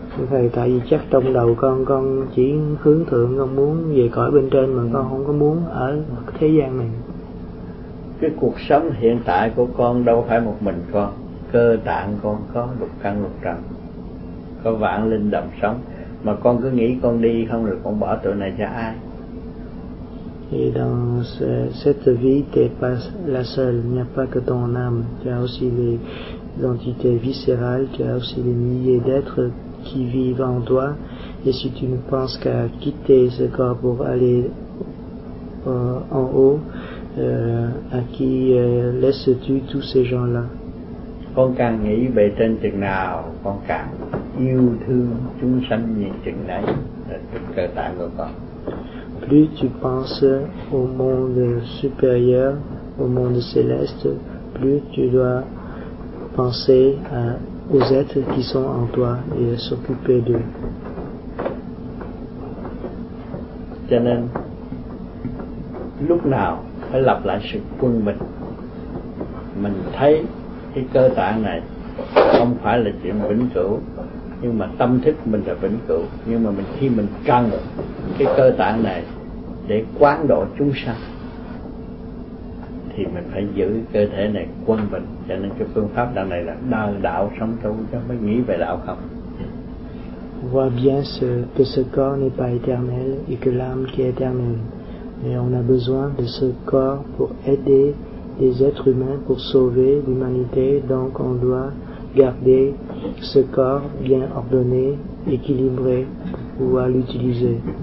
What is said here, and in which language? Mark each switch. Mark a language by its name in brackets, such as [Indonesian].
[Vietnamese] Thầy, tại vì chắc trong đầu con chỉ hướng thượng, con muốn về cõi bên trên mà con không có muốn ở thế gian này. Cái cuộc sống hiện tại của con đâu phải một mình con, cơ tạng con có lục căn lục trần, có vạn linh đồng sống, mà con cứ nghĩ con đi không được, con bỏ tụi này cho ai? [French] Et dans cette vie, t'es pas la seule, il n'y a pas que ton âme, tu as aussi les entités viscérales, tu as aussi les milliers d'êtres qui vivent en toi, et si tu ne penses qu'à quitter ce corps pour aller en haut, à qui laisses-tu tous ces gens-là? [Vietnamese] Con càng nghĩ về trên chừng nào, con càng yêu thương chúng sanh nhiều chừng đấy, cơ tạng của con. [French] Plus tu penses au monde supérieur, au monde céleste, plus tu dois penser à aux êtres qui sont en toi et à s'occuper d'eux. [Vietnamese] Cho nên, lúc nào phải lập lại sự quân bình. Mình thấy cái cơ tạng này không phải là chuyện vĩnh cửu, nhưng mà tâm thức mình là vĩnh cửu. Nhưng mà khi mình cần cái cơ tạng này để quán độ chúng sanh, thì mình phải giữ cơ thể này quân bình. Cho nên cái phương pháp đạo này là đời đạo sống tu, chứ mới nghĩ về đạo không. [French] On voit bien que ce corps n'est pas éternel et que l'âme qui est éternelle. Mais on a besoin de ce corps pour aider les êtres humains, pour sauver l'humanité. Donc on doit garder ce corps bien ordonné, équilibré, pour pouvoir l'utiliser.